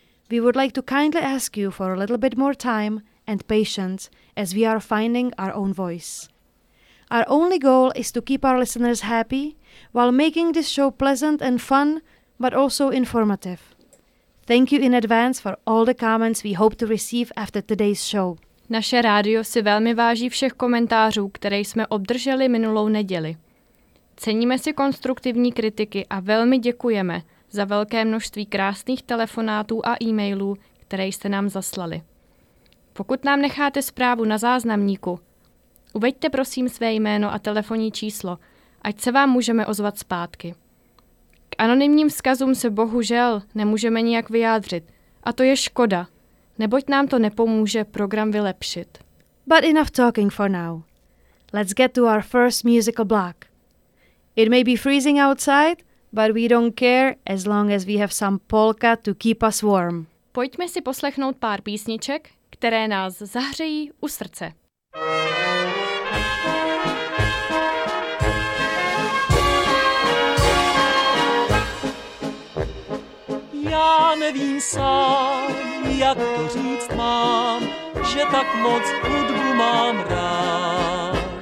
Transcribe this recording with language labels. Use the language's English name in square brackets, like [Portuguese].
[English] We would like to kindly ask you for a little bit more time and patience as we are finding our own voice. Our only goal is to keep our listeners happy while making this show pleasant and fun, but also informative. Thank you in advance for all the comments we hope to receive after today's show. [Czech] Naše rádio si velmi váží všech komentářů, které jsme obdrželi minulou neděli. Ceníme si konstruktivní kritiky a velmi děkujeme za velké množství krásných telefonátů a e-mailů, které jste nám zaslali. Pokud nám necháte zprávu na záznamníku, uveďte prosím své jméno a telefonní číslo, ať se vám můžeme ozvat zpátky. K anonymním vzkazům se bohužel nemůžeme nijak vyjádřit, a to je škoda, neboť nám to nepomůže program vylepšit. [English] But enough talking for now. Let's get to our first musical block. It may be freezing outside, but we don't care as long as we have some polka to keep us warm. [Czech] Pojďme si poslechnout pár písniček, které nás zahřejí u srdce. Já nevím sám, jak to říct mám, že tak moc hudbu mám rád.